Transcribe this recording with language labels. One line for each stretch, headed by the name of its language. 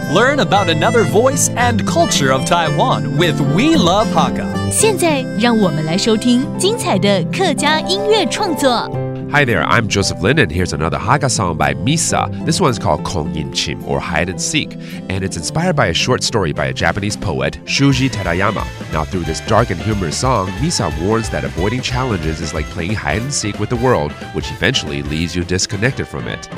English: Learn about another voice and culture of Taiwan with We Love Hakka。
Chinese: 现在让我们来收听精彩的客家音乐创作。
English: Hi there, I'm Joseph Lin, and here's another Hakka song by Misa. This one's called 空音琴, or Hide and Seek, and it's inspired by a short story by a Japanese poet, Shūji Terayama. Now, through this dark and humorous song, Misa warns that avoiding challenges is like playing hide and seek with the world, which eventually leaves you disconnected from it.